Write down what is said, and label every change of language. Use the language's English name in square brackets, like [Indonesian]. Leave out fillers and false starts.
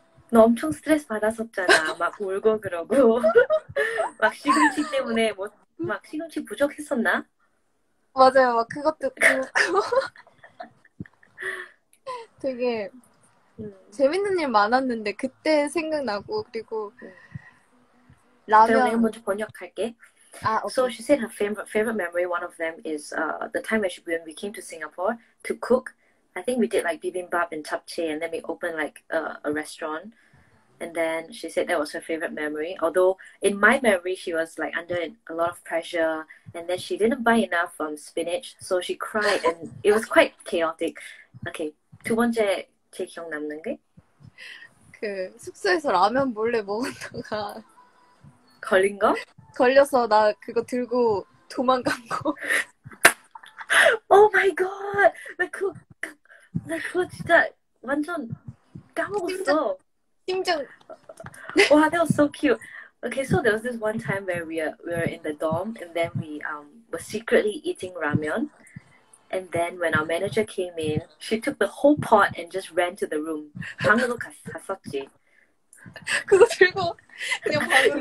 [Korean] 너 엄청 스트레스 받았었잖아. 막 울고 그러고. 막 시금치 때문에, 뭐, 막 시금치 부족했었나? 맞아요. 그것도 그거 되게 재밌는 일 많았는데 그때 생각나고 그리고 라면 내가 먼저 번역할게. [English] 아, okay. So she said her favorite memory, one of them is the time when we came to Singapore to cook. I think we did like bibimbap and japchae, and then we opened like a restaurant. And then she said that was her favorite memory. Although in my memory, she was like under a lot of pressure, and then she didn't buy enough spinach, so she cried, and it was quite chaotic. [Korean] Okay, 두 번째 제일 기억 남는 게? 그 숙소에서 라면 몰래 먹었다가 걸린 거? 걸려서 나 그거 들고 도망간 거. [English] Oh my god! [Korean] 나 그거 진짜 완전 까먹었어. 심장. [English] Wow, that was so cute. Okay, so there was this one time where we were in the dorm, and then we were secretly eating ramen, and then when our manager came in, she took the whole pot and just ran to the room. [Korean] 방으로 갔었지. 그거 들고 그냥 방으로.